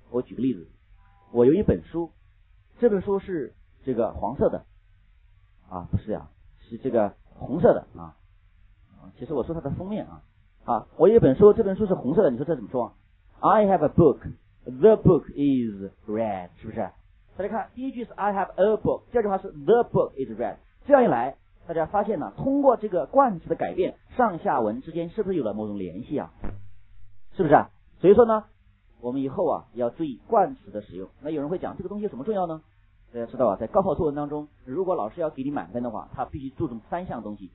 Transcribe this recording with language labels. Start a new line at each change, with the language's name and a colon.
Chinese: 我举个例子，我有一本书，这本书是这个黄色的啊，不是呀、啊，是这个红色的啊。其实我说它的封面啊。啊，我有一本书，这本书是红色的，你说这怎么说 ？
English: I have a book, the book is red，
Chinese: 是不是？大家看，第一句是
English: I have a book，
Chinese: 第二句话是
English: the book is red。
Chinese: 这样一来，大家发现呢，通过这个冠词的改变，上下文之间是不是有了某种联系啊？是不是？所以说呢，我们以后啊要注意冠词的使用。那有人会讲，这个东西有什么重要呢？大家知道啊，在高考作文当中，如果老师要给你满分的话，他必须注重三项东西。